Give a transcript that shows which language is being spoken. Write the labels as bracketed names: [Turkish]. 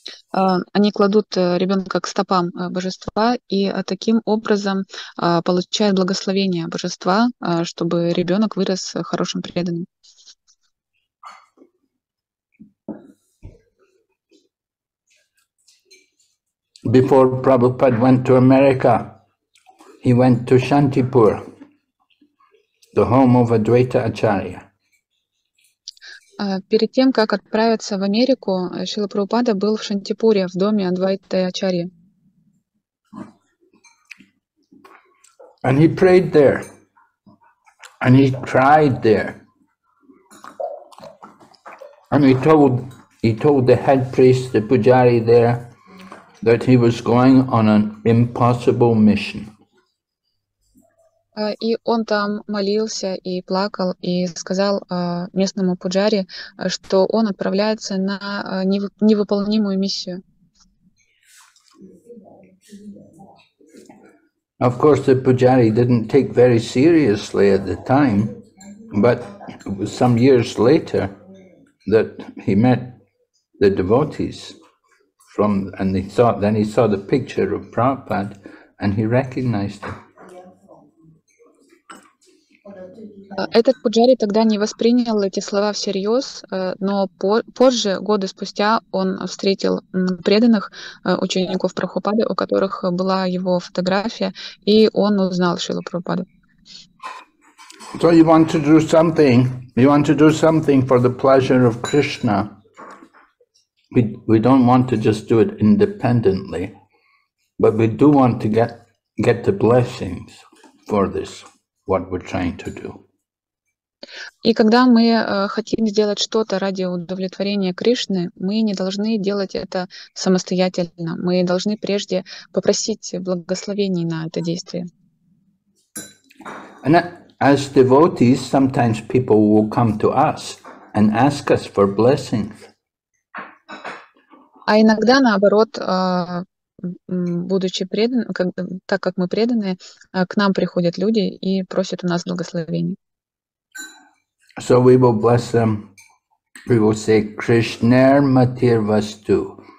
[Russian] Они кладут ребенка к стопам божества и таким образом получают благословение божества, чтобы ребенок вырос хорошим преданным. [English] Before Prabhupada went to America, he went to Shantipur, the home of Advaita Acharya. [Russian] Перед тем, как отправиться в Америку, Шрила Прабхупада был в Шантипуре, в доме Адвайты Ачарьи. [English] And he prayed there. And he cried there. And he told the head priest, the pujari there, that he was going on an impossible mission. [Russian] И он там молился и плакал, и сказал местному пуджаре, что он отправляется на невыполнимую миссию. [English] Of course, the pujari didn't take very seriously at the time, but it was some years later that he met the devotees from, and he saw, then he saw the picture of Prabhupada, and he recognized him. [Russian] Этот пуджари тогда не воспринял эти слова всерьез, но позже, годы спустя, он встретил преданных учеников Прабхупады, у которых была его фотография, и он узнал Шрилу Прабхупаду. [English] So you want to do something? You want to do something for the pleasure of Krishna? We don't want to just do it independently, but we do want to get the blessings for this, what we're trying to do. [Russian] И когда мы хотим сделать что-то ради удовлетворения Кришны, мы не должны делать это самостоятельно. Мы должны прежде попросить благословений на это действие. [English] And as devotees, sometimes people will come to us and ask us for blessings. [Russian] А иногда наоборот, будучи преданными, так как мы преданные, к нам приходят люди и просят у нас благословений. [English] So we will bless them. We will say, [Sanskrit] Krishna Matir Vastu.